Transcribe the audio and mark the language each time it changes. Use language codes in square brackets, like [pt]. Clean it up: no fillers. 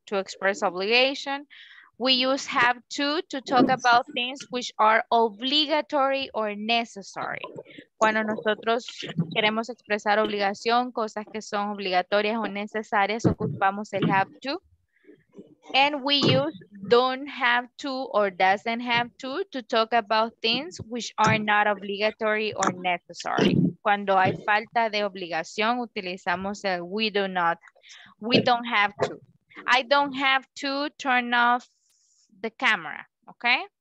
[en] To express obligation, we use have to talk about things which are obligatory or necessary. [es] Cuando nosotros queremos expresar obligación, cosas que son obligatorias o necesarias, ocupamos el have to. [en] And we use don't have to or doesn't have to talk about things which are not obligatory or necessary. [es] Cuando hay falta de obligación, utilizamos el [en] we do not, we don't have to. I don't have to turn off the camera, okay?